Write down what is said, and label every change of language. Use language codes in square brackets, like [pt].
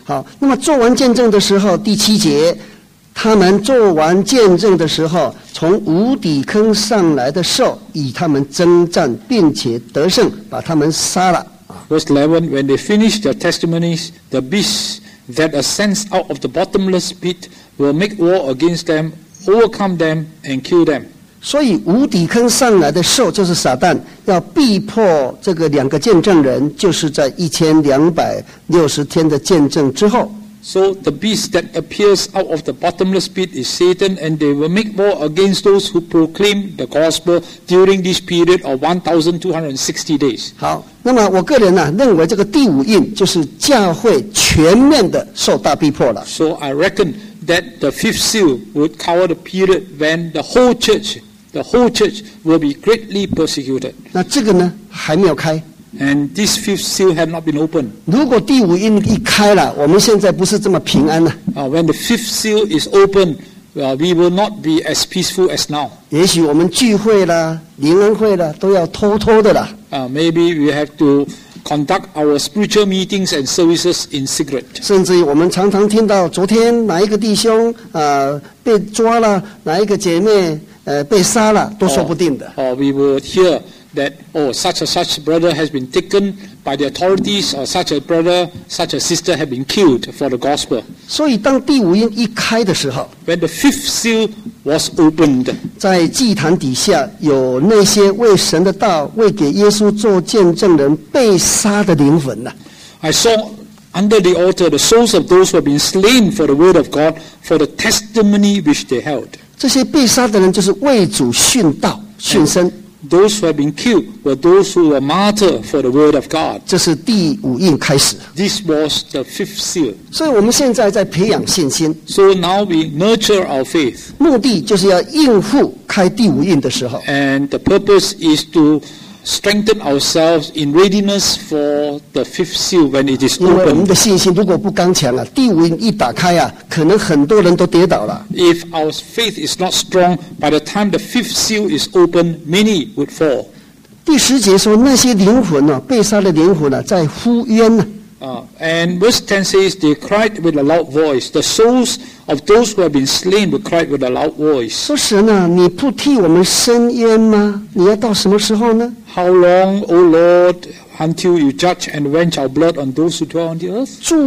[zh] 好那么做完见证的时候第七节他们做完见证的时候从无底坑上来的兽与他们征战并且得胜把他们杀了 [en] Verse 11 When they finish their testimonies the beast that ascends out of the bottomless pit will make war against them overcome them and kill them [zh] 所以无底坑上来的兽就是撒旦要逼迫这个两个见证人就是在1260天的见证之后 [en] So the beast that appears out of the bottomless pit is Satan, and they will make war against those who proclaim the gospel during this period of 1260 days. [zh] 好，那么我个人呢、啊，认为这个第五印就是教会全面的受大逼迫了。 [en] So I reckon that the fifth seal would cover the period when the whole church will be greatly persecuted. [zh] 那这个呢，还没有开。 [en] And this fifth seal had not been opened. [zh] 如果第五印一开了，我们现在不是这么平安了。 [en] When the fifth seal is open, we will not be as peaceful as now. [zh] 也许我们聚会啦、灵恩会啦，都要偷偷的啦。 [en] Maybe we have to conduct our spiritual meetings and services in secret. [zh] 甚至我们常常听到昨天哪一个弟兄被抓了，哪一个姐妹被杀了，都说不定的。 [en] We will hear. That oh such a such brother has been taken by the authorities or such a brother such a sister have been killed for the gospel. [zh] 所以当第五印一开的时候 [en] ，When the fifth seal was opened， [zh] 在祭坛底下有那些为神的道、为给耶稣做见证人被杀的灵魂呐、 [en] 啊。I saw under the altar the souls of those who have been slain for the word of God for the testimony which they held. [zh] 这些被杀的人就是为主殉道、殉身。 [en] Those who have been killed were those who were martyred for the word of God. [zh] 这是第五印开始。 [en] This was the fifth seal. [zh] 所以我们现在在培养信心。 [en] So now we nurture our faith. [zh] 目的就是要应付开第五印的时候。 [en] And the purpose is to strengthen ourselves in readiness for the fifth seal when it is opened. [zh] 因为我们的信心如果不刚强啊，第五印一打开啊，可能很多人都跌倒了。 [en] If our faith is not strong, by the time the fifth seal is opened, many would fall. [zh] 第十节说，那些灵魂啊，被杀的灵魂啊，在呼冤呢。 [en] And verse 10 says, they cried with a loud voice. The souls of those who have been slain were cried with a loud voice. [zh] 说神啊，你不替我们伸冤吗？你要到什么时候呢？ [en] How long, O Lord, until you judge and avenge our blood on those who dwell on the earth?